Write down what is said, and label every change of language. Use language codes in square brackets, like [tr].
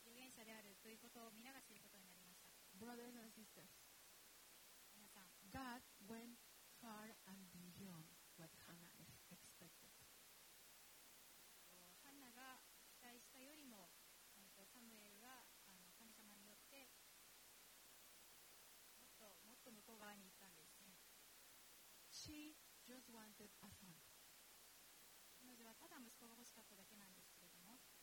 [ja] 預言者であるということを皆が知ることになりました。 [en] Brothers and sisters, [ja] 皆さん、 [en] God went far and beyond what Hannah expected. [ja] ハンナが期待したよりもサムエルが神様によってもっと向こう側に行ったんですね。 [en] She just wanted a son. [ja] 彼女はただ息子が欲しかっただけなんですけれども、